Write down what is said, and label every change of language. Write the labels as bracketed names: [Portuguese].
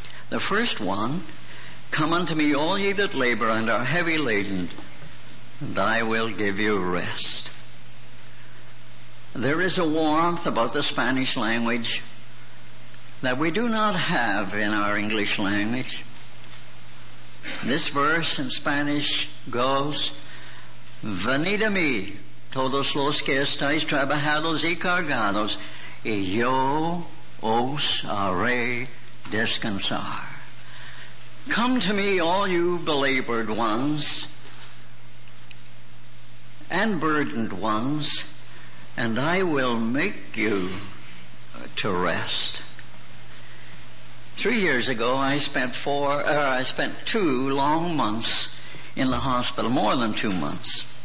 [English] The first one, come unto me, all ye that labor and are heavy laden, and I will give you rest. There is a warmth about the Spanish language that we do not have in our English language. This verse in Spanish goes, [Spanish] venid a mí todos los que estáis trabajados y cargados, y yo os haré descansar. [English] Come to me, all you belabored ones and burdened ones, and I will make you to rest. 3 years ago, I spent two long months in the hospital, more than 2 months.